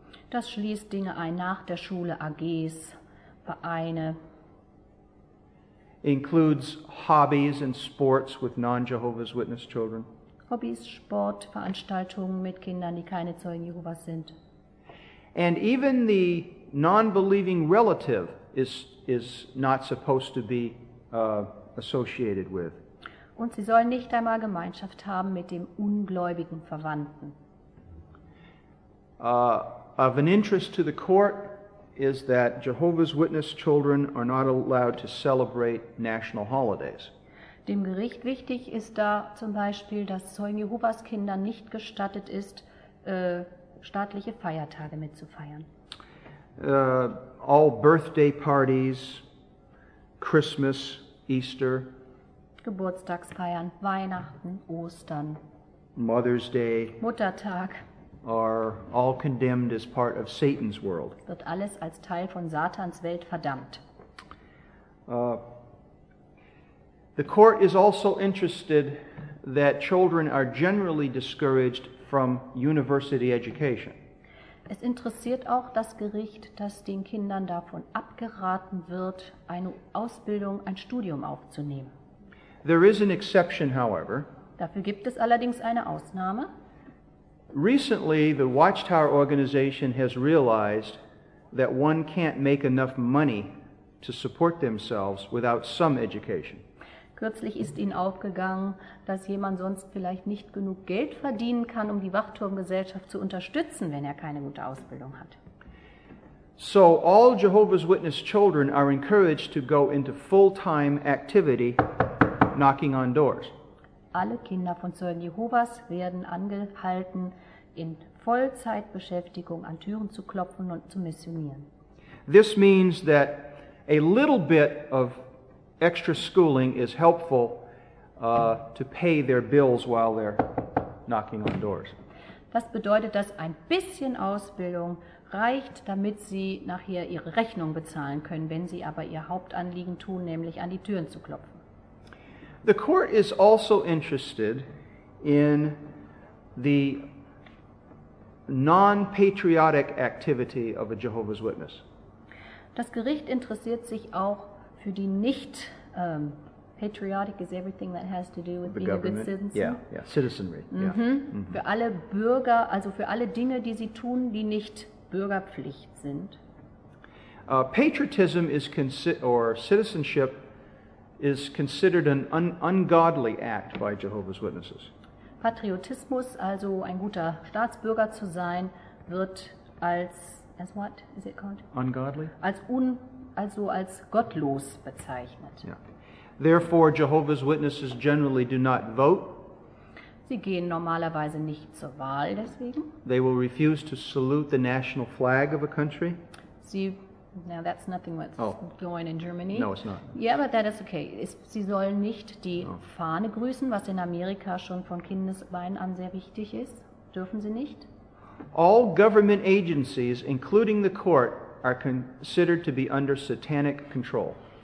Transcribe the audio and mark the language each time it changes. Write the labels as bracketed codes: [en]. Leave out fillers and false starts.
[de] Das schließt Dinge ein nach der Schule, AGs, Vereine. [en] Includes hobbies and sports with non-Jehovah's Witness children. [de] Hobbys, Sport, Veranstaltungen mit Kindern, die keine Zeugen Jehovas sind. [en] And even the non-believing relative is not supposed to be associated with. [de] Und sie sollen nicht einmal Gemeinschaft haben mit dem ungläubigen Verwandten. [en] Of an interest to the court is that Jehovah's Witness children are not allowed to celebrate national holidays. [de] Dem Gericht wichtig ist da zum Beispiel, dass Zeugen Jehovas Kindern nicht gestattet ist, staatliche Feiertage mitzufeiern. [en] All birthday parties, Christmas, Easter, [de] Geburtstagsfeiern, Weihnachten, Ostern, [en] Mother's Day, [de] Muttertag, [en] are all condemned as part of Satan's world. [de] Wird alles als Teil von Satans Welt verdammt. [en] The court is also interested that children are generally discouraged from university education. [de] Es interessiert auch das Gericht, dass den Kindern davon abgeraten wird, eine Ausbildung, ein Studium aufzunehmen. [en] There is an exception, however. [de] Dafür gibt es allerdings eine Ausnahme. [en] Recently, the Watchtower organization has realized that one can't make enough money to support themselves without some education. [de] Kürzlich ist ihnen aufgegangen, dass jemand sonst vielleicht nicht genug Geld verdienen kann, um die Wachturmgesellschaft zu unterstützen, wenn er keine gute Ausbildung hat. [en] So all Jehovah's Witness children are encouraged to go into full-time activity knocking on doors. [de] Alle Kinder von Zeugen Jehovas werden angehalten, in Vollzeitbeschäftigung an Türen zu klopfen und zu missionieren. [en] This means that a little bit of extra schooling is helpful to pay their bills while they're knocking on doors. [de] Das bedeutet, dass ein bisschen Ausbildung reicht, damit sie nachher ihre Rechnung bezahlen können, wenn sie aber ihr Hauptanliegen tun, nämlich an die Türen zu klopfen. [en] The court is also interested in the non-patriotic activity of a Jehovah's Witness. [de] Das Gericht interessiert sich auch für die nicht [en] patriotic is everything that has to do with being a good citizen. Yeah, citizenry. Mm-hmm. Yeah. Mm-hmm. [de] Für alle Bürger, also für alle Dinge, die sie tun, die nicht Bürgerpflicht sind. [en] Patriotism is or citizenship is considered an ungodly act by Jehovah's Witnesses. [de] Patriotismus, also ein guter Staatsbürger zu sein, wird als [en] what is it called? Ungodly. [de] Als gottlos bezeichnet. [en] Yeah. Therefore, Jehovah's Witnesses generally do not vote. [de] Sie gehen normalerweise nicht zur Wahl deswegen. [en] They will refuse to salute the national flag of a country. Sie, now that's nothing what's going in Germany. No, it's not. Yeah, but that is okay. [de] Sie sollen nicht die Fahne grüßen, was in Amerika schon von Kindesbeinen an sehr wichtig ist. Dürfen sie nicht. [en] All government agencies, including the court, are considered to be under satanic control.